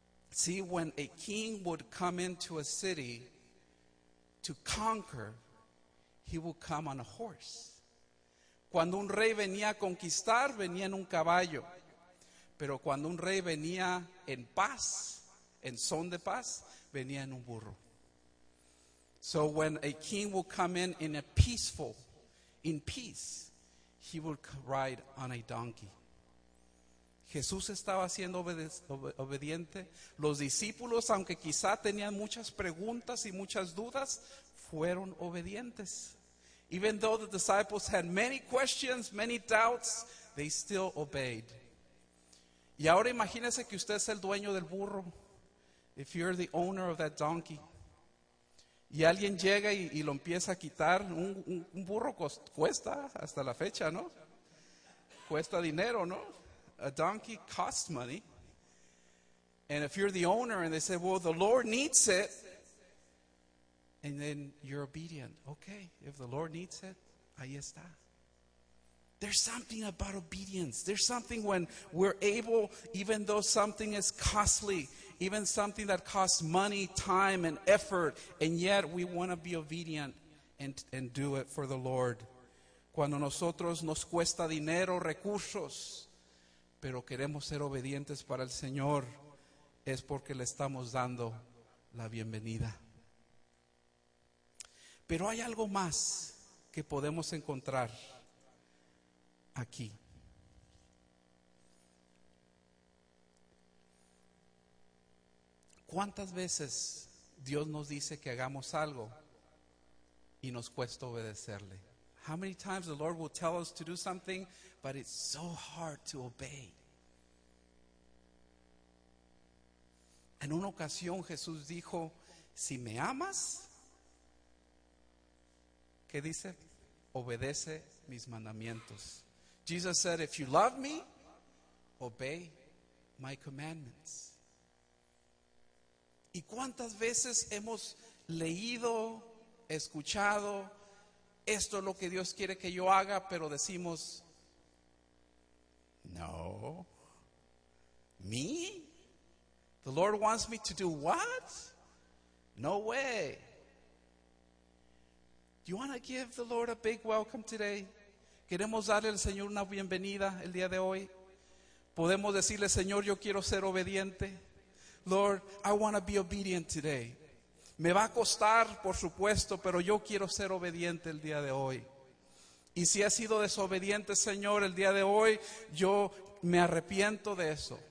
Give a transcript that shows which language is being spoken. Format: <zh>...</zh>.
<en>See, when a king would come into a city to conquer, he would come on a horse.</en> <es>Cuando un rey venía a conquistar, venía en un caballo. Pero cuando un rey venía en paz, en son de paz, venía en un burro.</es> <en>So when a king will come in a peaceful, in peace, he will ride on a donkey.</en> <es>Jesús estaba siendo obediente. Los discípulos, aunque quizá tenían muchas preguntas y muchas dudas, fueron obedientes.</es> <en>Even though the disciples had many questions, many doubts, they still obeyed.</en> <es>Y ahora imagínese que usted es el dueño del burro.</es> <en>If you're the owner of that donkey.</en> <es>Y alguien llega y lo empieza a quitar. Un burro cuesta hasta la fecha, ¿no? Cuesta dinero, ¿no?</es> <en>A donkey costs money. And if you're the owner and they say, well, the Lord needs it. And then you're obedient. Okay, if the Lord needs it,</en> <es>ahí está.</es> <en>There's something about obedience. There's something when we're able, even though something is costly, even something that costs money, time, and effort, and yet we want to be obedient and do it for the Lord.</en> <es>Cuando nosotros nos cuesta dinero, recursos, pero queremos ser obedientes para el Señor, es porque le estamos dando la bienvenida. Pero hay algo más que podemos encontrar aquí. ¿Cuántas veces Dios nos dice que hagamos algo y nos cuesta obedecerle?</es> <en>How many times the Lord will tell us to do something, but it's so hard to obey?</en> <es>En una ocasión Jesús dijo, si me amas, ¿qué dice? Obedece mis mandamientos.</es> <en>Jesus said, if you love me, obey my commandments.</en> <es>¿Y cuántas veces hemos leído, escuchado, esto es lo que Dios quiere que yo haga, pero decimos, no, me?</es> <en>The Lord wants me to do what? No way. Do you want to give the Lord a big welcome today?</en> <es>¿Queremos darle al Señor una bienvenida el día de hoy? ¿Podemos decirle, Señor, yo quiero ser obediente?</es> <en>Lord, I want to be obedient today.</en> <es>Me va a costar, por supuesto, pero yo quiero ser obediente el día de hoy. Y si he sido desobediente, Señor, el día de hoy, yo me arrepiento de eso.</es>